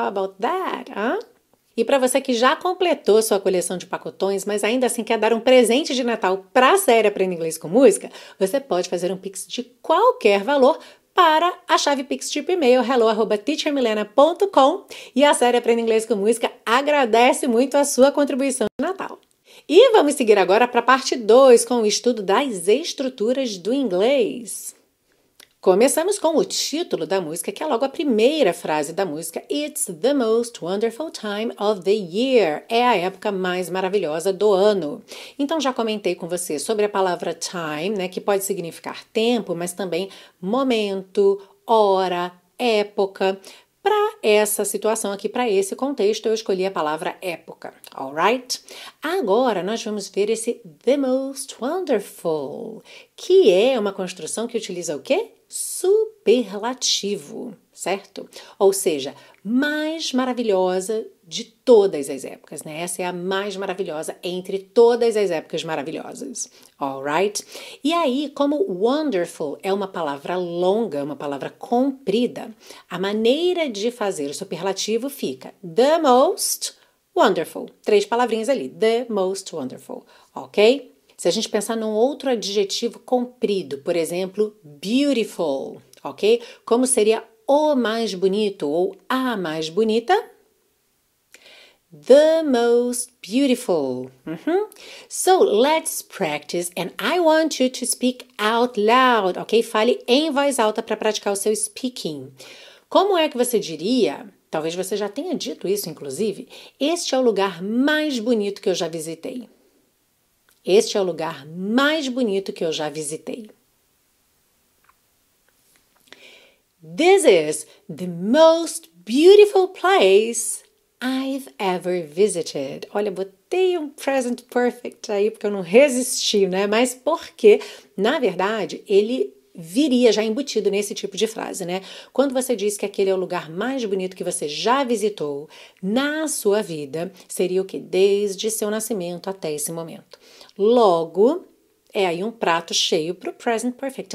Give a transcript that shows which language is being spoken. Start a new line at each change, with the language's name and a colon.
English: How about that, huh?
Portuguese: E para você que já completou sua coleção de pacotões, mas ainda assim quer dar um presente de Natal para a série Aprenda Inglês com Música, você pode fazer um Pix de qualquer valor para a chave Pix tipo e-mail hello@teachermilena.com e a série Aprenda Inglês com Música agradece muito a sua contribuição de Natal. E vamos seguir agora para a parte 2, com o estudo das estruturas do inglês. Começamos com o título da música, que é logo a primeira frase da música.
English: It's the most wonderful time of the year.
Portuguese: É a época mais maravilhosa do ano. Então, já comentei com você sobre a palavra time, né, que pode significar tempo, mas também momento, hora, época. Para essa situação aqui, para esse contexto, eu escolhi a palavra época. Alright? Agora nós vamos ver esse
English: the most wonderful,
Portuguese: que é uma construção que utiliza o quê? Superlativo, certo? Ou seja, mais maravilhosa de todas as épocas, né? Essa é a mais maravilhosa entre todas as épocas maravilhosas. Alright? E aí, como wonderful é uma palavra longa, uma palavra comprida, a maneira de fazer o superlativo fica the most wonderful. Três palavrinhas ali,
English: the most wonderful,
Portuguese: ok? Se a gente pensar num outro adjetivo comprido, por exemplo, beautiful, ok? Como seria o mais bonito ou a mais bonita?
English: The most beautiful. So let's practice and I want you to speak out loud,
Portuguese: ok? Fale em voz alta para praticar o seu speaking. Como é que você diria? Talvez você já tenha dito isso, inclusive. Este é o lugar mais bonito que eu já visitei. Este é o lugar mais bonito que eu já visitei.
English: This is the most beautiful place I've ever visited.
Portuguese: Olha, botei um present perfect aí porque eu não resisti, né? Mas porque, na verdade, ele viria já embutido nesse tipo de frase, né? Quando você diz que aquele é o lugar mais bonito que você já visitou na sua vida, seria o quê? Desde seu nascimento até esse momento. Logo, é aí um prato cheio para o present perfect.